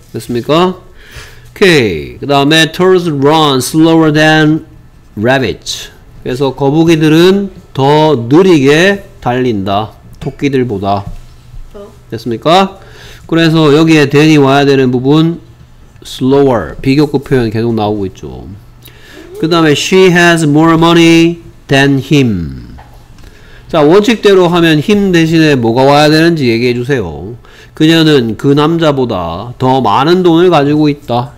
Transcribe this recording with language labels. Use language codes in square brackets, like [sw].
[ko] 됐습니까? 오케이. 그 다음에 [en] turtles run slower than rabbits. [ko] 그래서 거북이들은 더 느리게 달린다. 토끼들보다. 됐습니까? 그래서 여기에 than이 와야 되는 부분 slower. 비교급 표현 계속 나오고 있죠. 그 다음에 [en] she has more money than him. [ko] 자 원칙대로 하면 him 대신에 뭐가 와야 되는지 얘기해 주세요. 그녀는 그 남자보다 더 많은 돈을 가지고 있다.